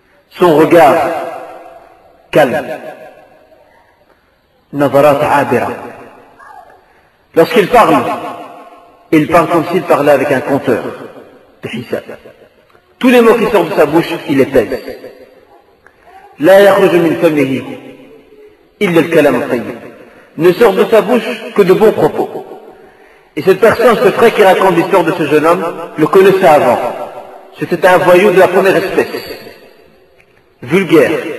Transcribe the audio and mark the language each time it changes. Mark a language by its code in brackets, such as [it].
[fr] Son regard, calme. [ar] Nazarat abira. [fr] Lorsqu'il parle, il parle comme s'il parlait avec un compteur. Tous les mots qui sortent de sa bouche, il les pèse. [ar] لا يخرج من فمه إلا الكلام الطيب. [fr] Ne sort de sa bouche que de bons propos. Et cette personne, ce frère qui raconte l'histoire de ce jeune homme, le connaissait avant. C'était un voyou de la première espèce. Vulgaire.